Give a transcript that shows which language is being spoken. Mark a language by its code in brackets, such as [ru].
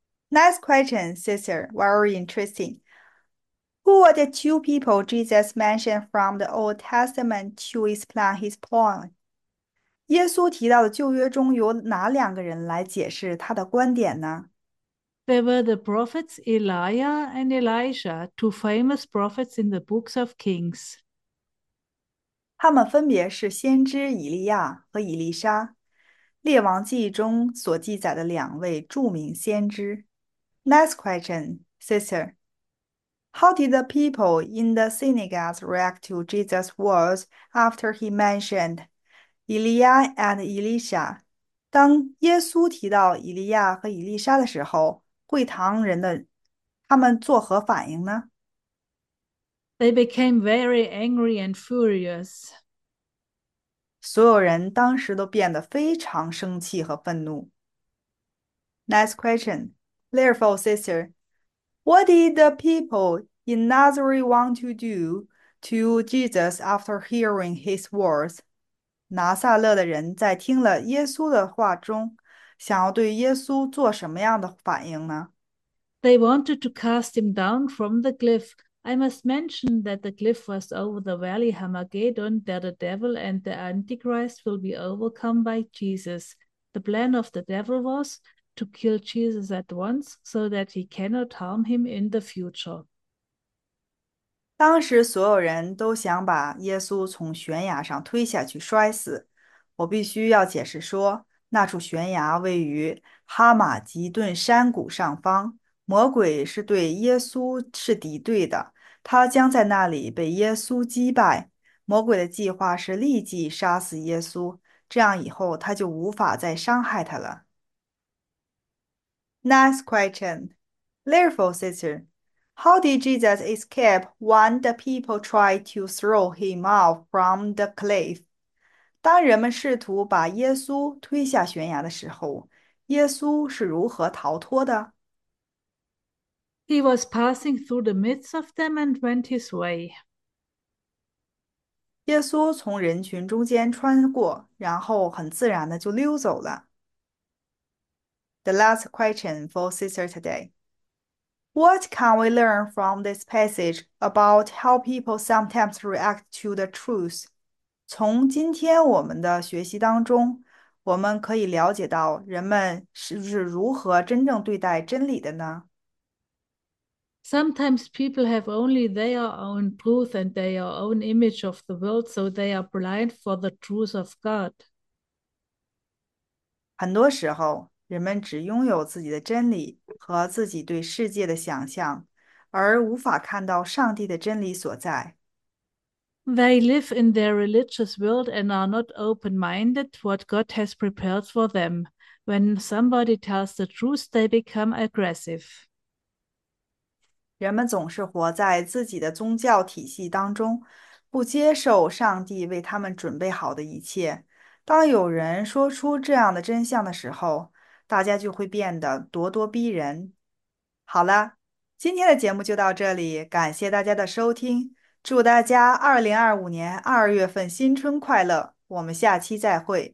[en] Next question, Caesar, very interesting. Who were the two people Jesus mentioned from the Old Testament to explain his point? [zh] 耶稣提到的旧约中有哪两个人来解释他的观点呢？ [en] There were the prophets Elijah and Elisha, two famous prophets in the books of Kings. [zh] 他们分别是先知以利亚和以利沙。列王记中所记载的两位著名先知。 [en] Next question, sister. How did the people in the synagogues react to Jesus' words after he mentioned Elijah and Elisha? [zh] 当耶稣提到以利亚和以利沙的时候，会堂人的他们作何反应呢？ [en] They became very angry and furious. [zh] 所有人当时都变得非常生气和愤怒。 [en] Next question. Therefore, sister, what did the people in Nazareth want to do to Jesus after hearing his words? [zh] 拿撒勒的人在听了耶稣的话中，想要对耶稣做什么样的反应呢？ [en] They wanted to cast him down from the cliff. I must mention that the cliff was over the valley Harmageddon, that the devil and the Antichrist will be overcome by Jesus. The plan of the devil was to kill Jesus at once so that he cannot harm him in the future. [zh] 当时所有人都想把耶稣从悬崖上推下去摔死。我必须要解释说，那处悬崖位于哈马吉顿山谷上方。魔鬼是对耶稣是敌对的，他将在那里被耶稣击败。魔鬼的计划是立即杀死耶稣，这样以后他就无法再伤害他了。 [en] Next question, therefore, sister. How did Jesus escape when the people tried to throw him off from the cliff? [zh] 当人们试图把耶稣推下悬崖的时候，耶稣是如何逃脱的？ [en] He was passing through the midst of them and went his way. [zh] 耶稣从人群中间穿过，然后很自然的就溜走了。 [en] The last question for sister today. What can we learn from this passage about how people sometimes react to the truth? [zh] 从今天我们的学习当中，我们可以了解到人们是不是如何真正对待真理的呢？ [en] Sometimes people have only their own truth and their own image of the world, so they are blind for the truth of God. [zh] 很多时候，人们只拥有自己的真理。和自己对世界的想象，而无法看到上帝的真理所在。 [en] They live in their religious world and are not open-minded to what God has prepared for them. When somebody tells the truth, they become aggressive. [zh] 人们总是活在自己的宗教体系当中，不接受上帝为他们准备好的一切。当有人说出这样的真相的时候，大家就会变得咄咄逼人。好了，今天的节目就到这里，感谢大家的收听，祝大家2025年2月份新春快乐，我们下期再会。